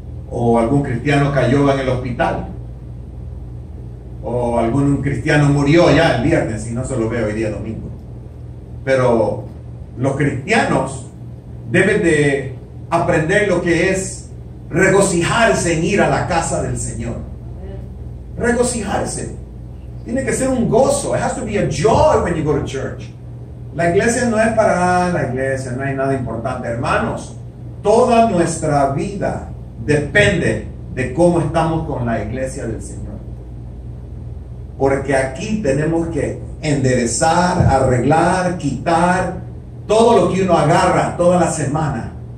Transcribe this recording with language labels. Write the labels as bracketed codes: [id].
[es] O algún cristiano cayó en el hospital. O algún cristiano murió ya el viernes y no se lo ve hoy día domingo. Pero los cristianos deben de aprender lo que es regocijarse en ir a la casa del Señor. Regocijarse. Tiene que ser un gozo. [en] It has to be a joy when you go to church. [es] La iglesia no es para la iglesia, no hay nada importante. Hermanos, toda nuestra vida depende de cómo estamos con la iglesia del Señor. Porque aquí tenemos que enderezar, arreglar, quitar todo lo que uno agarra toda la semana.